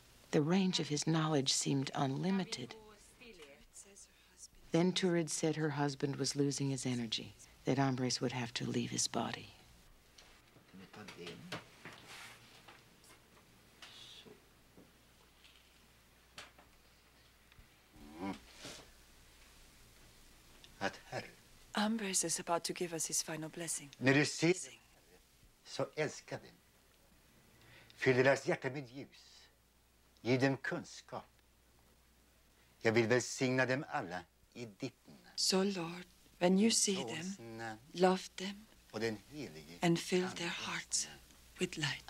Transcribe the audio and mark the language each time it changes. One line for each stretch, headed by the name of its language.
English: The range of his knowledge seemed unlimited. Then Turid said her husband was losing his energy, that Ombres would have to leave his body. Ombres is about to give us his final blessing.
Swedish: När du ser den, så älska den. Fyll deras hjärta med ljus. Ge dem kunskap. Jag vill välsigna dem alla.
English: So, Lord, when you see them, love them and fill their hearts with light.